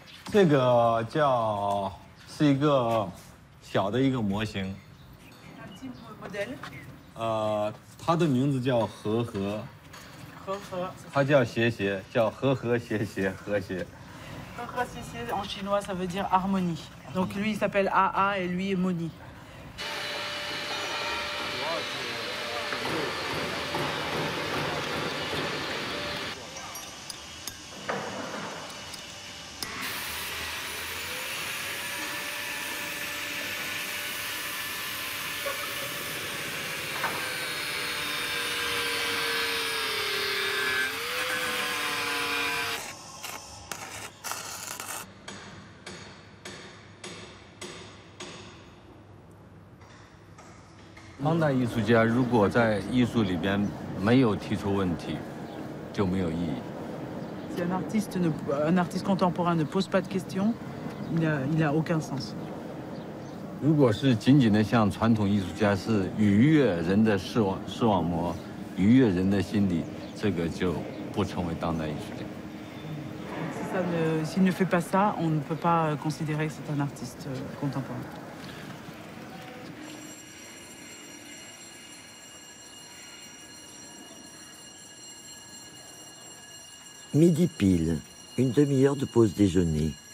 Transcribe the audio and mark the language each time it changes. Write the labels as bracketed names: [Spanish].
[Chinese] 这个叫是一个小的一个模型。它的名字叫和和。和和。它叫谐谐，叫和和谐谐和谐。 [French] En chinois, ça veut dire harmonie. Donc lui, il s'appelle AA et lui, Moni. Si un artiste contemporain ne pose pas de questions, il a aucun sens. [Chinese] 如果是仅仅的像传统艺术家，是愉悦人的视网膜，愉悦人的心理，这个就不成为当代艺术家。 [French] S'il ne fait pas ça, on ne peut pas considérer que c'est un artiste contemporain. Midi pile, une demi-heure de pause déjeuner.